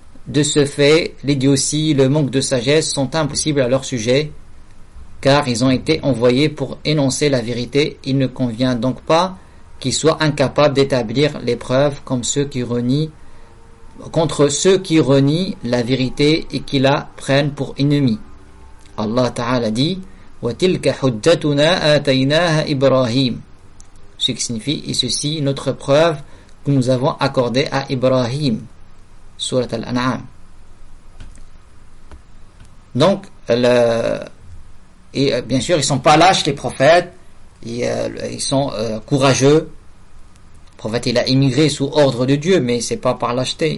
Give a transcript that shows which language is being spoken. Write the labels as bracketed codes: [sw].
[fr] De ce fait, l'idiotie, le manque de sagesse sont impossibles à leur sujet, car ils ont été envoyés pour énoncer la vérité. Il ne convient donc pas qu'ils soient incapables d'établir les preuves contre ceux qui renient la vérité et qui la prennent pour ennemi. Allah Ta'ala dit: [ar] وَتِلْكَ حُدَّتُنَا آتَيْنَاهَا إِبْرَاهِيمَ. [fr] Ce qui signifie: et ceci est notre preuve que nous avons accordée à Ibrahim. Sourate Al-An'am. Donc, bien sûr, ils ne sont pas lâches, les prophètes. Ils sont courageux. Le prophète, il a émigré sous ordre de Dieu, mais ce n'est pas par lâcheté.